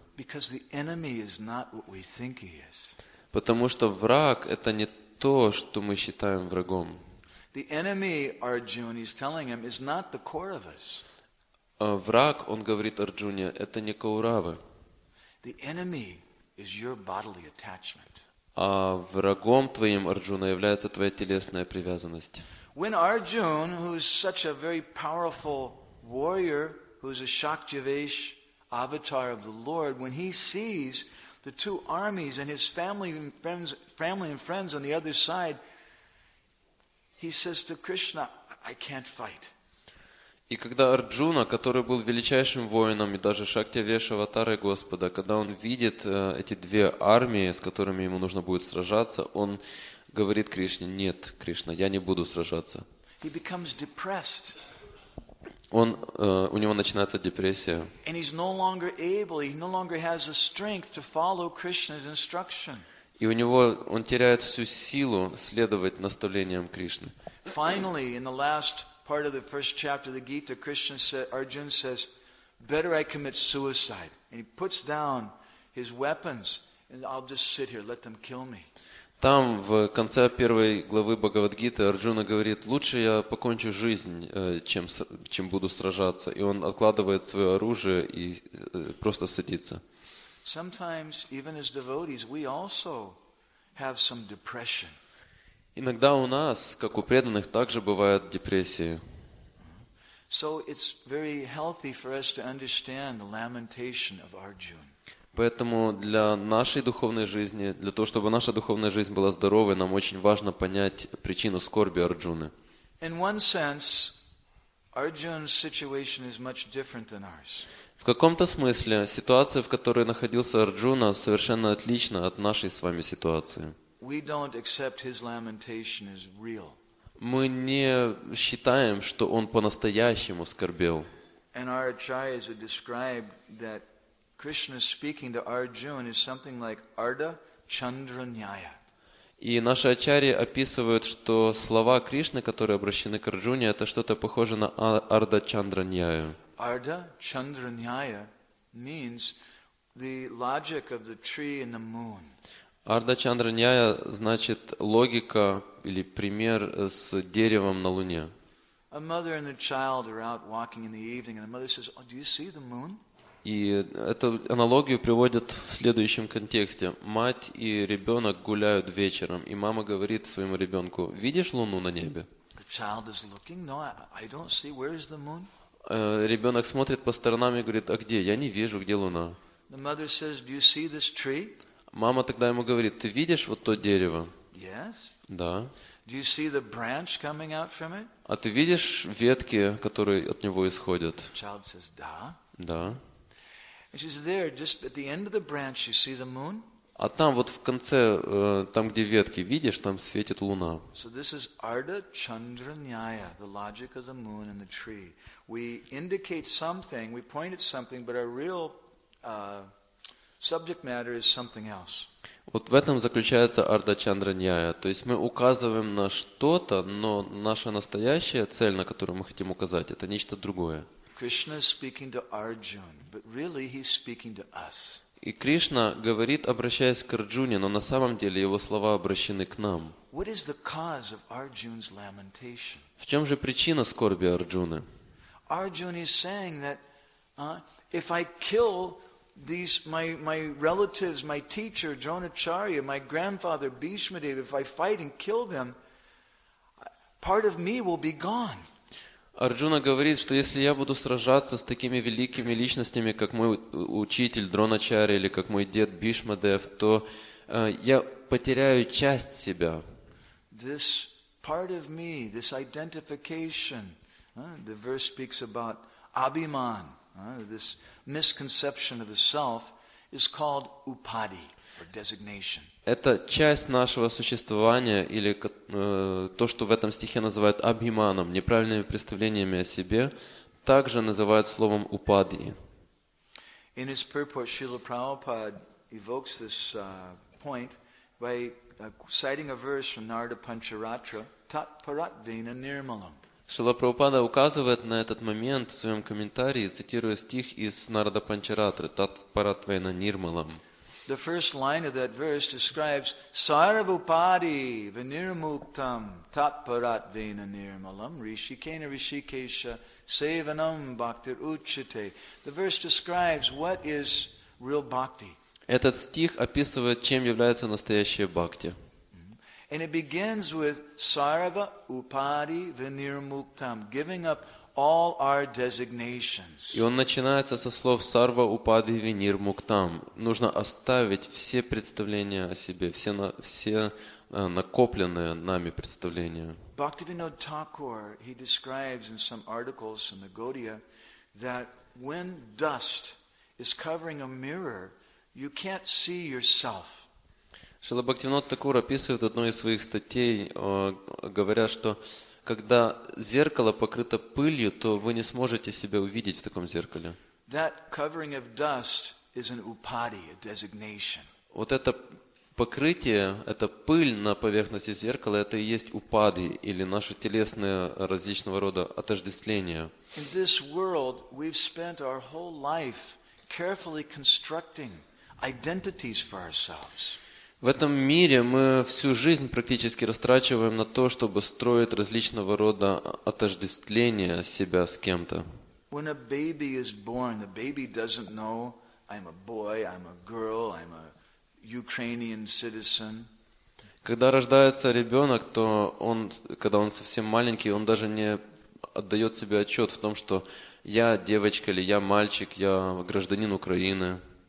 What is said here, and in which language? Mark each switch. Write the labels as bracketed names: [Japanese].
[English] Because the enemy is not what we think he is. [Russian] Потому что враг — это не то, что мы считаем врагом. [English] The enemy, Arjuna, he's telling him, is not the core of us. [Russian] Враг, он говорит Арджуне, это не Кауравы. [English] The enemy is your bodily attachment. [Russian] А врагом твоим, Арджуна, является твоя телесная привязанность. [English] When Arjuna, who is such a very powerful warrior, who is a Shaktivesh avatar of the Lord, when he sees the two armies and his family and friends on the other side, he says to Krishna, I can't fight. [Russian] И когда Арджуна, который был величайшим воином и даже Шактивеш аватарой Господа, когда он видит эти две армии, с которыми ему нужно будет сражаться, он говорит Кришне, нет, Кришна, я не буду сражаться. [English] He becomes depressed. [Russian] У него начинается депрессия. [English] And he's no longer able, he no longer has the strength to follow Krishna's instruction. [Russian] И у него, он теряет всю силу следовать наставлениям Кришны. [English] Finally, in the last part of the first chapter of the Gita, Krishna said, Arjuna says, better I commit suicide. And he puts down his weapons and I'll just sit here, let them kill me. [Russian] Там, в конце первой главы Бхагавадгиты, Арджуна говорит, лучше я покончу жизнь, чем буду сражаться. И он откладывает свое оружие и просто садится. [English] Sometimes, even as devotees, we also have some depression. [Russian] Иногда у нас, как у преданных, также бывают депрессии. [English] So it's very healthy for us to understand the lamentation of Arjuna. [Russian] Поэтому для нашей духовной жизни, для того, чтобы наша духовная жизнь была здоровой, нам очень важно понять причину скорби Арджуны. [English] In one sense, Arjuna's situation is much different than ours. [Russian] В каком-то смысле, ситуация, в которой находился Арджуна, совершенно отлична от нашей с вами ситуации. [English] We don't accept his lamentation as real. [Russian] Мы не считаем, что он по-настоящему скорбел. [English] And our acharyas have described that Krishna speaking to Arjuna is something like Arda Chandra Nyaya. [Russian] И наши ачарьи описывают, что слова Кришны, которые обращены к Арджуне, это что-то похоже на Арда Чандра Нияю. [English] Arda Chandra Nyaya means the logic of the tree and the moon. [Russian] Арда Чандра Ньяя значит логика или пример с деревом на луне. [English] A mother and a child are out walking in the evening and the mother says, oh, do you see the moon? [Russian] И эту аналогию приводят в следующем контексте. Мать и ребенок гуляют вечером, и мама говорит своему ребенку, видишь луну на небе? [English] The child is looking, no, I don't see, where is the moon? [Russian] Ребенок смотрит по сторонам и говорит, а где? Я не вижу, где луна. [English] The mother says, do you see this tree? [Russian] Мама тогда ему говорит, ты видишь вот то дерево? [English] Yes. [Russian] Да. [English] Do you see the branch coming out from it? [Russian] А ты видишь ветки, которые от него исходят? [English] Child says, [Russian] да. Да. А там вот в конце, там где ветки, видишь, там светит луна. [English] So this is Ardha Chandranyaya, the logic of the moon and the tree. We indicate something, we point at something, but our real subject matter is something else. [Russian] Вот в этом заключается Ардха Чандраньяя. То есть мы указываем на что-то, но наша настоящая цель, на которую мы хотим указать, это нечто другое. [English] Krishna is speaking to Arjuna, but really he's speaking to us. [Russian] И Кришна говорит, обращаясь к Арджуне, но на самом деле его слова обращены к нам. [English] What is the cause of Arjuna's lamentation? [Russian] В чем же причина скорби Арджуны? [English] Arjuna is saying that if I kill these my relatives, my teacher Dronacharya, my grandfather Bhishma Dev, if I fight and kill them, part of me will be gone. [Russian] Арджуна говорит, что если я буду сражаться с такими великими личностями, как мой учитель Дроначарья или как мой дед Бишма Дев, то я потеряю часть себя. [English] This part of me, this identification, the verse speaks about abhiman, this misconception of the self is called upadhi or designation. [Russian] Это часть нашего существования, или то, что в этом стихе называют абхиманом, неправильными представлениями о себе, также называют словом упадхи. [English] In his purport, Srila Prabhupada evokes this point by citing a verse from Narada Pancharatra, [Sanskrit] Tat Parat Vena Nirmalam. [Russian] Шрила Прабхупада указывает на этот момент в своем комментарии, цитируя стих из Нарада Панчаратры, [Sanskrit] Тат Парат Вена Нирмалам. [English] The first line of that verse describes [Sanskrit] Sarvupadi Vinirmuktam Tatparat Vena Nirmalam Rishikena Rishikesha Sevanam Bhaktir Uchite. [English] The verse describes what is real bhakti. [Russian] Этот стих описывает, чем является настоящая бхакти. [English] And it begins with [Sanskrit] Sarva Upadi Vinirmuktam, [English] giving up all our designations. [Russian] И он начинается со слов [Sanskrit] Sarva Upadhi Vinirmuktam. [Russian] Нужно оставить все представления о себе, все накопленные нами представления. [English] Bhaktivinoda Thakur, he describes in some articles in the Gaudiya that when dust is covering a mirror, you can't see yourself. [Russian] Шрила Бхактивинода Такур описывает одну из своих статей, говоря, что когда зеркало покрыто пылью, то вы не сможете себя увидеть в таком зеркале. [English] That covering of dust is an upadhi, a designation. [Russian] Вот это покрытие, эта пыль на поверхности зеркала, это и есть упадхи, или наши телесные различного рода отождествления. [English] In this world, we've spent our whole life carefully constructing identities for ourselves. [Russian] В этом мире мы всю жизнь практически растрачиваем на то, чтобы строить различного рода отождествления себя с кем-то. [English] When a baby is born, the baby doesn't know I'm a boy, I'm a girl, I'm a Ukrainian citizen. [Russian] Когда рождается ребенок, то он, когда он совсем маленький, он даже не отдает себе отчет в том, что я девочка или я мальчик, я гражданин Украины.